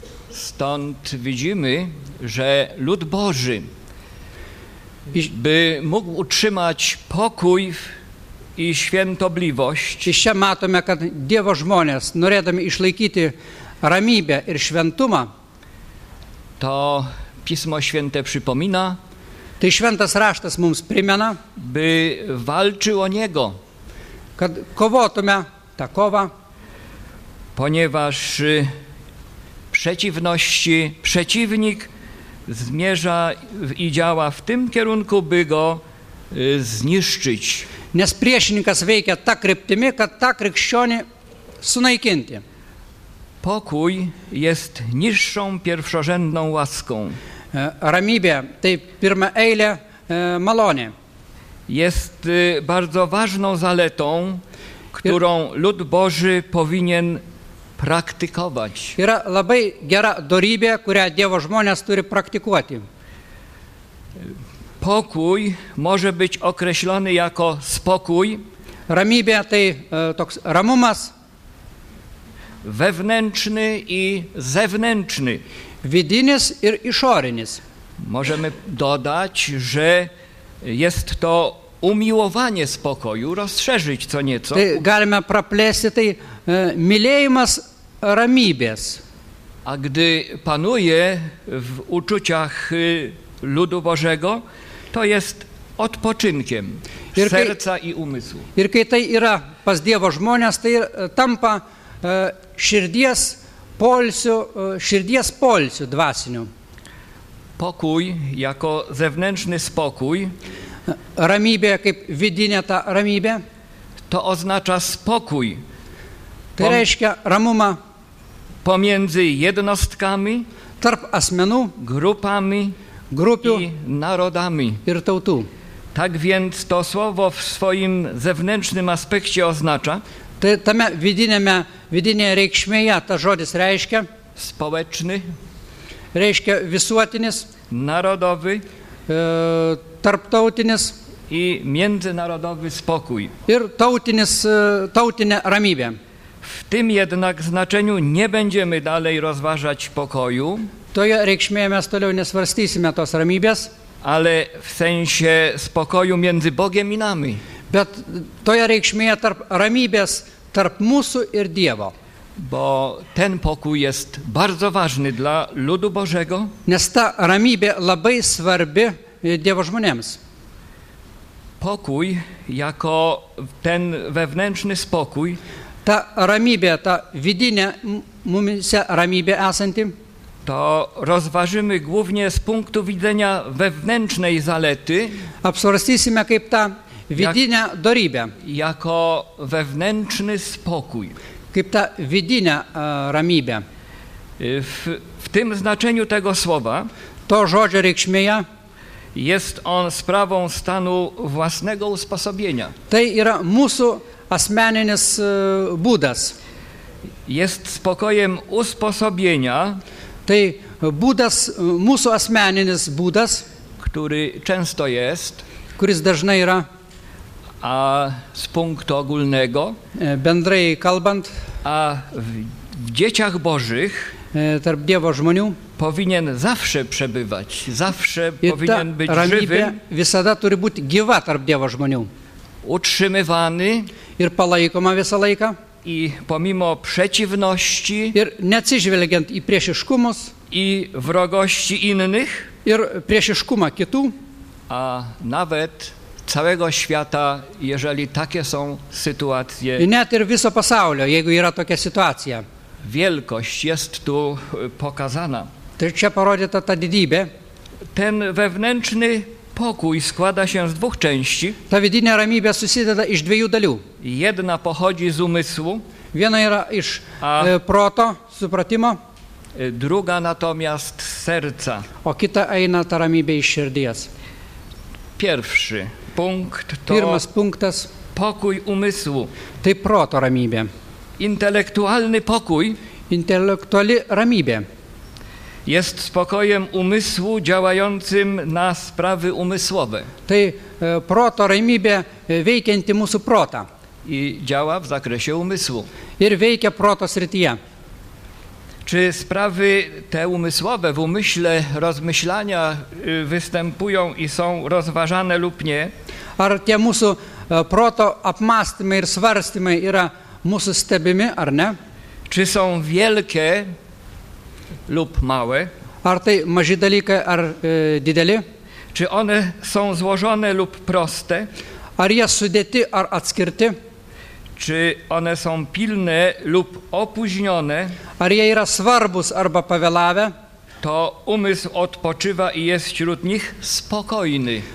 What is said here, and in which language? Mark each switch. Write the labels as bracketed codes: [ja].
[pl] Stąd widzimy, że lud Boży, by mógł utrzymać pokój i świętobliwość. [lt] I się matome, kad Dievo žmonės, norėdami išlaikyti ramybę ir šventumą, [pl] to Pismo Święte przypomina, [lt] tai šventas raštas mums primena, [pl] by walczył o Niego, [lt] kad kovotume tą kovą, [pl] ponieważ przeciwności, przeciwnik zmierza i działa w tym kierunku, by go zniszczyć. [lt] Nes priešininkas veikia ta kryptimi, kad ta krikščionį sunaikinti. [pl] Pokój jest niższą, pierwszorzędną łaską. [lt] Ramybė, tai pirma eilė malonė. [pl] Jest bardzo ważną zaletą, którą lud Boży powinien praktykować. [lt] Yra labai gera dorybė, kurią Dievo žmonės turi praktikuoti. [pl] Pokój może być określony jako spokój. [lt] Ramybė tai toks ramumas. [pl] Wewnętrzny i zewnętrzny. [lt] Vidinis ir išorinis. [pl] Możemy dodać, że jest to umiłowanie spokoju, rozszerzyć co nieco. [lt] Tai galime praplėsti, tai mylėjimas ramybės. [pl] A gdy panuje w uczuciach ludu Bożego, to jest odpoczynkiem [lt] ir kai, [pl] serca i umysłu. [lt] Ir kai tai yra pas Dievo žmonės, tai tampa širdies polsiu dvasiniu. [pl] Pokój jako zewnętrzny spokój, [lt] ramybė kaip vidinė ta ramybė, [pl] to oznacza spokój. [lt] Tai reiškia ramumą [pl] pomiędzy jednostkami, [lt] tarp asmenų, [pl] grupami, [lt] grupių [pl] i narodami. [lt] Ir tautų. [pl] Tak więc to słowo w swoim zewnętrznym aspekcie oznacza, [lt] tame vidinėme, vidinėje reikšmėje ta žodis reiškia, [pl] społeczny, [lt] reiškia visuotinis, [pl] narodowy, [lt] tarptautinis [pl] i międzynarodowy spokój. [lt] Ir tautinis, tautinė ramybė. [pl] W tym jednak znaczeniu nie będziemy dalej rozważać pokoju. [lt] Toje reikšmėje mes toliau nesvarstysime tos ramybės. [pl] Ale w sensie spokoju między Bogiem i nami. [lt] Bet toje reikšmėje tarp ramybės, tarp mūsų ir Dievo. [pl] Bo ten pokój jest bardzo ważny dla ludu Bożego. [lt] Nes ta ramybė labai svarbi Dievo žmonėms. [pl] Pokój jako ten wewnętrzny spokój, [lt] ta ramybė, ta vidinė mumise ramybė esanti, [pl] to rozważymy głównie z punktu widzenia wewnętrznej zalety. [lt] Apsvarstysime kaip ta vidinė dorybė. [pl] Jako wewnętrzny spokój. [lt] Kaip ta vidinė ramybė. [pl] W tym znaczeniu tego słowa [lt] to žodžio reikšmėje [pl] jest on sprawą stanu własnego usposobienia. [lt] Tai yra mūsų asmeninis būdas. [pl] Jest spokojem usposobienia. [lt] Tai būdas, mūsų asmeninis būdas, [pl] który często jest, [lt] kuris dažnai yra, [pl] a z punktu ogólnego, [lt] bendrai kalbant, [pl] a w dzieciach Bożych, [lt] tarp Dievo žmonių, [pl] powinien zawsze przebywać, zawsze powinien być [lt] ramybė [pl] żywy, [lt] visada turi būti gyva tarp Dievo žmonių, [pl] utrzymywany [lt] ir palaikoma visą laiką, [pl] i pomimo przeciwności [lt] ir neatsižvelgiant į priešiškumus [pl] i wrogości innych [lt] ir priešiškumą kitų, [pl] a nawet całego świata, jeżeli takie są sytuacje, [lt] i net ir viso pasaulio, jeigu yra tokia situacija, [pl] wielkość jest tu pokazana, [lt] tai čia parodyta ta didybė. [pl] Ten wewnętrzny pokój składa się z dwóch części. [lt] Ta vidinė ramybė susideda iš dviejų dalių. [pl] Jedna pochodzi z umysłu. [lt] Viena yra iš proto, supratimo. [pl] Druga natomiast z serca. [lt] O kita eina ta ramybė iš širdies. [pl] Pierwszy punkt to [lt] pirmas punktas [pl] pokój umysłu. [lt] Tai proto ramybė. [pl] Intelektualny pokój. [lt] Intelektuali ramybė. [pl] Jest spokojem umysłu działającym na sprawy umysłowe. [lt] Tai proto ramybė veikianti mūsų protą. [pl] I działa w zakresie umysłu. [lt] Ir veikia proto srityje. [pl] Czy sprawy te umysłowe w umyśle rozmyślania występują i są rozważane lub nie? [lt] Ar tie mūsų proto apmąstymai ir svarstymai yra mūsų stebimi, ar ne? [pl] Czy są wielkie lub małe? [lt] Ar tai maži dalykai, ar dideli? [pl] Czy one są złożone lub proste? [lt] Ar jie sudėti, ar atskirti? [pl] Czy one są pilne lub opóźnione? [lt] Ar jie yra svarbus, arba pavėlavę? [pl] To umysł odpoczywa i jest wśród nich spokojny.